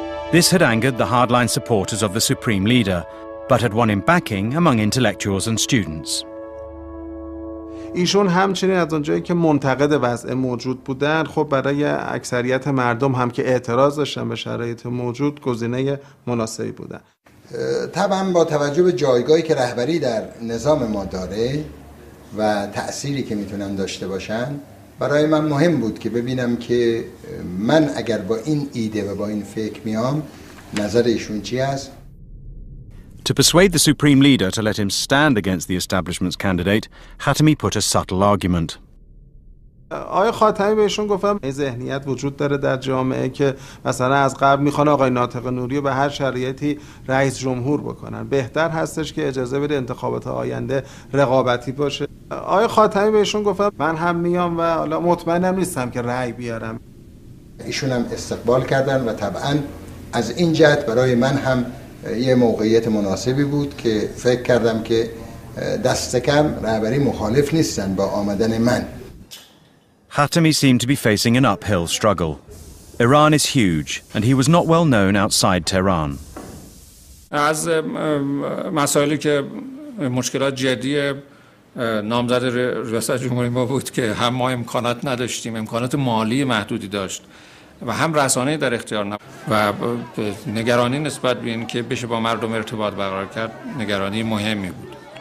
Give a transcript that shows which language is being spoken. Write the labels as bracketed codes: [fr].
[en] This had angered the hardline supporters of the Supreme Leader, but had won him backing among intellectuals and students. [fa] ایشون همچنین از اونجایی که منتقد وضع موجود بودن، خب برای اکثریت مردم هم که اعتراض داشتن به شرایط موجود، گزینه مناسبی بودن. طبعاً با توجه به جایگاهی که رهبری در نظام ما داره و تأثیری که میتونن داشته باشن، برای من مهم بود که ببینم که من اگر با این ایده و با این فکر میام، نظر ایشون چی است؟ [en] To persuade the supreme leader to let him stand against the establishment's candidate, Khatami put a subtle argument. [fa] آقای خاتمی بهشون گفتم این ذهنیت وجود داره در جامعه که مثلا از قبل میخوان آقای ناطق نوری به هر شرایطی رئیس جمهور بکنن. بهتر هستش که اجازه بده انتخابات آینده رقابتی باشه. آقای خاتمی بهشون گفتم من هم میام و حالا مطمئنم نیستم که رأی بیارم. ایشون هم استقبال کردن و طبعا از این جهت برای من هم یه موقعیت مناسبی بود که فکر کردم که دست کم رهبری مخالف نیستن با آمدن من. [en] Khatami seemed to be facing an uphill struggle. Iran is huge, and he was not well known outside Tehran. [fa] از مسائلی که مشکلات جدی نامزد ریاست جمهوری ما بود که هم ما امکانات نداشتیم، امکانات مالی محدودی داشت و هم رسانه‌ای در اختیار نبود و نگرانی نسبت به این که بشه با مردم ارتباط برقرار کرد نگرانی مهمی بود.